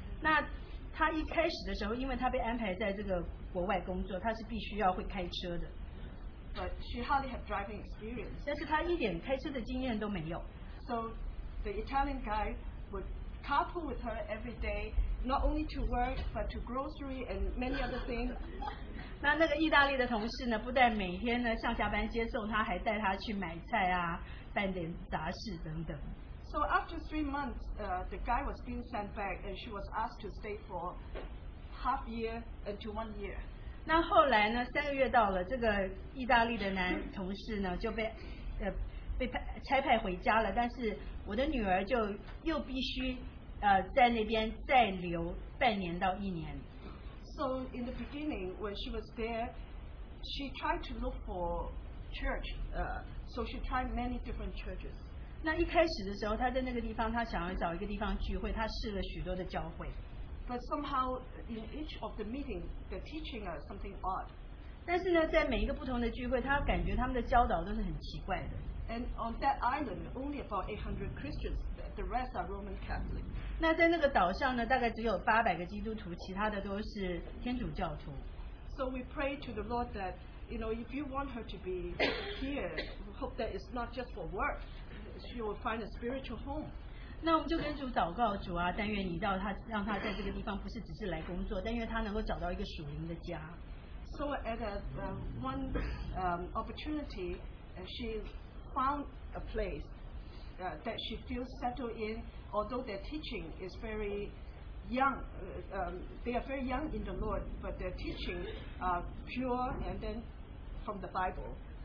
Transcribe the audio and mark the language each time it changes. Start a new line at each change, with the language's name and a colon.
Chinese: 那她一开始的时候，因为她被安排在这个国外工作，她是必须要会开车的。
English: But she hardly had driving experience.
Chinese: 但是她一点开车的经验都没有。
English: So the Italian guy would carpool with her every day, not only to work, but to grocery and many other things.
Chinese: 那个意大利的同事呢，不但每天呢上下班接送她，还带她去买菜啊，办点杂事等等。
English: So after 3 months, the guy was being sent back, and she was asked to stay for half year and to 1 year.
Chinese: 那后来呢，三个月到了，这个意大利的男同事呢就被被拆派回家了, 但是我的女儿就又必须, 在那边再留半年到一年。
English: So in the beginning, when she was there, she tried to look for church. So she tried many different churches.
Chinese: 那一开始的时候, 她在那个地方, 她想要找一个地方聚会, 她试了许多的教会。
English: But somehow, in each of the meetings, the teaching are something odd.
Chinese: 但是呢, 在每一个不同的聚会, 她感觉他们的教导都是很奇怪的。
English: And on that island, only about 800 Christians, the rest are Roman Catholic.
Chinese: 那在那个岛上呢, 大概只有800个基督徒, 其他的都是天主教徒。
English: So we pray to the Lord that, you know, if you want her to be here, we hope that it's not just for work, she will find a spiritual home.
Chinese: 那我们就跟主祷告, 主啊, 但愿你到他, 让他在这个地方, 不是只是来工作, 但愿他能够找到一个属灵的家。
English: So at a, one opportunity, she found a place that she feels settled in, although their teaching is very young. They are very young in the Lord, but their teaching are pure and then from the Bible.